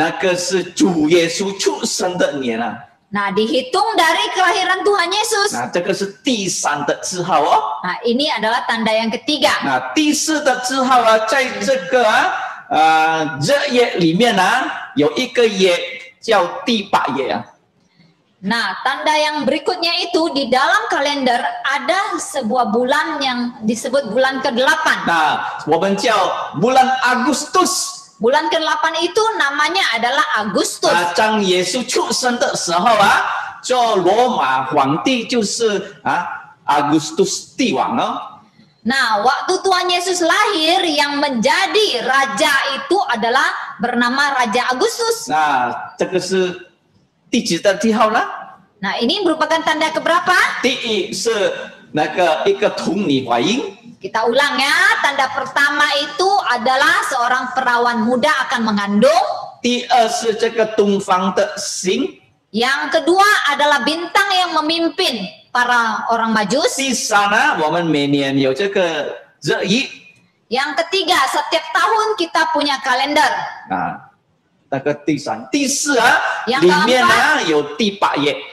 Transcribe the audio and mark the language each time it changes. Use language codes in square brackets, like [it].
[zh] 那个是主耶稣出生的年啊。 [id] Nah, dihitung dari kelahiran Tuhan Yesus. [zh] Nah, 这个是第三的字号哦。 [id] Nah, ini adalah tanda yang ketiga. [zh] Nah, 第四的字号啊，在这个啊日月里面啊，有一个月叫第八月啊。 [id] Nah, tanda yang berikutnya itu di dalam kalender ada sebuah bulan yang disebut bulan ke-8. [zh] Nah, 我们叫 [id] bulan Agustus. Bulan ke-8 itu namanya adalah Agustus. [zh] Nah, 当耶稣出生的时候啊，做罗马皇帝就是啊，Agustus帝王哦。 [id] Nah, waktu Tuhan Yesus lahir yang menjadi raja itu adalah bernama Raja Agustus. [zh] Nah, 这个是 第几的记号呢? [id] Nah, ini merupakan tanda keberapa? [zh] 第一是那个一个童女怀孕。 [id] Kita ulang ya, tanda pertama itu adalah seorang perawan muda akan mengandung. [zh] 第二是这个东方的星。 [id] Yang kedua adalah bintang yang memimpin para orang majus. [zh] 第三呢，我们每年有这个日历。 [id] Yang ketiga, setiap tahun kita punya kalender. Nah. [zh] 那个第三、第四啊，里面呢有第八页。